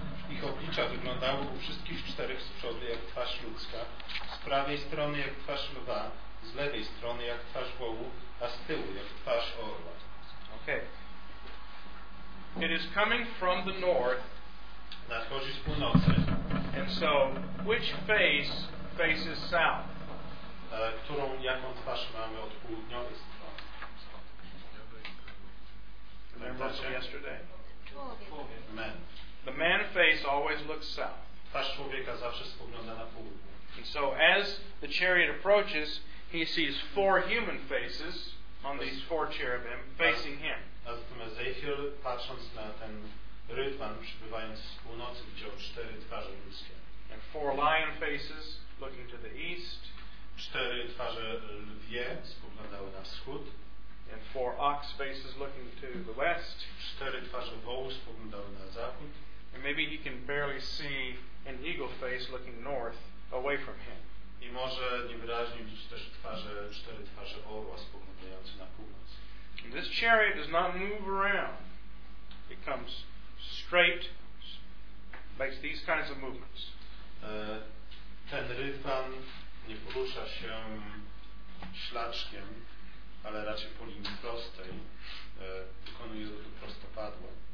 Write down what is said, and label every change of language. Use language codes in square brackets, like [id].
[pl] Ich oblicza wyglądały u wszystkich czterech z przodu jak twarz ludzka, z prawej strony jak twarz lwa, z lewej strony jak twarz wołu, a z tyłu jak twarz orła. [en] Okay. It is coming from the north. [pl] Nadchodzi z północy. [en] And so, which face faces south? [pl] Którą, jaką twarz mamy od południowej strony? [en] Remember from yesterday? Man. The man face always looks south. [pl] Twarz człowieka zawsze spogląda na północ. [en] And so as the chariot approaches, he sees four human faces on these four cherubim facing him. [pl] Zatem Ezechiel, patrząc na ten rydwan przybywając z północy, widział cztery twarze ludzkie. [en] And four lion faces looking to the east. [pl] Cztery twarze lwie spoglądały na wschód. [en] And four ox faces looking to the west. [pl] Cztery twarze wołów spoglądały na zachód. [en] And maybe he can barely see an eagle face looking north away from him. [pl] I może niewyraźnie widzieć też twarze, cztery twarze orła spoglądające na północ. [en] And this chariot does not move around. It comes straight, makes these kinds of movements. [pl] Ten rydwan nie porusza się ślaczkiem, ale raczej po linii prostej, wykonuje to prostopadłe.